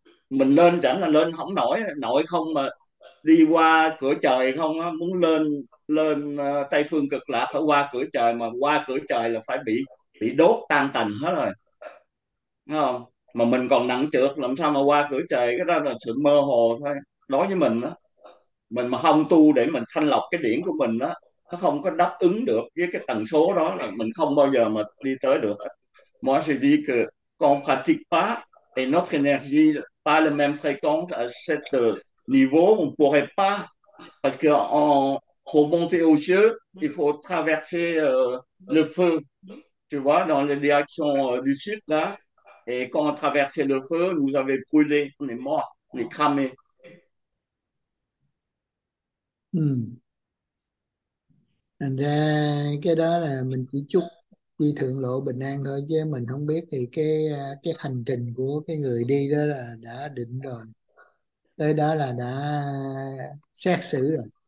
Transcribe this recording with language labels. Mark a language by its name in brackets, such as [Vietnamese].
[Vietnamese] Mình lên chẳng là lên không nổi, nổi không mà đi qua cửa trời không á, muốn lên lên Tây phương Cực Lạc phải qua cửa trời, mà qua cửa trời là phải bị đốt tan tành hết rồi. Đúng không? Mà mình còn nặng trược làm sao mà qua cửa trời, cái đó là sự mơ hồ thôi. Đối với mình đó, mình mà không tu để mình thanh lọc cái điển của mình đó, nó không có đáp ứng được với cái tần số đó là mình không bao giờ mà đi tới được. [French] Moi je dis que qu'on pratique pas et notre énergie pas la même fréquence à cette niveau, on pourrait pas, parce que pour monter aux cieux, il faut traverser le feu, tu vois, dans les directions du sud là, et quand on traversait le feu, nous avait brûlé, on est mort, on est cramé. [Vietnamese] Thành ra cái đó là mình chỉ chúc đi thượng lộ bình an thôi, chứ mình không biết thì cái hành trình của cái người đi đó là đã định rồi, tới đó là đã xét xử rồi.